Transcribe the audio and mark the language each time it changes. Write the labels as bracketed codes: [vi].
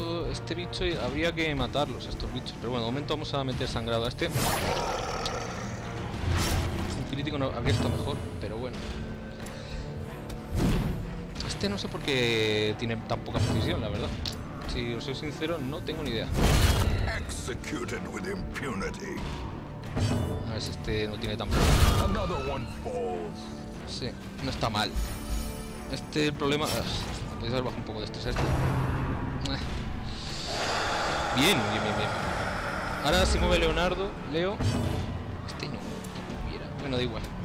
[es] Este bicho habría que matarlos, estos bichos. Pero bueno, de momento vamos a meter sangrado a este. Un crítico no habría estado mejor, pero bueno. Este no sé por qué tiene tan poca precisión, la verdad. Si os soy sincero, no tengo ni idea. [en] Executed with impunity. [es] A ver si este no tiene tan poco. [en] Another one falls. [es] Sí, no está mal. Este problema... podéis haber bajado un poco de estrés a este. Bien. Ahora se mueve Leonardo. Leo. Este no. Bueno, da igual.